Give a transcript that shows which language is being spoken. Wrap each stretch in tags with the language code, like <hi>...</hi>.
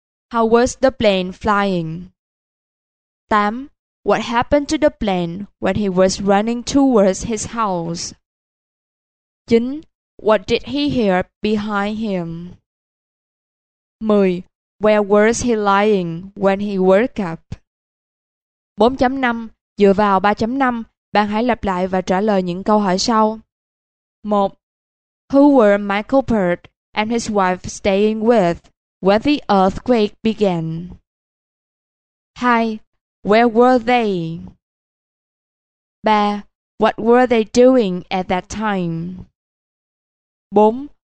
<en>How was the plane flying? 8. What happened to the plane when he was running towards his house? 9. What did he hear behind him? 10. Where was he lying when he woke up?</en> <vi>4.5 dựa vào 3.5, bạn hãy lặp lại và trả lời những câu hỏi sau.</vi> <en>1. Who were Michael Pert and his wife staying with when the earthquake began? 2. Where were they? 3. What were they doing at that time? 4.</en>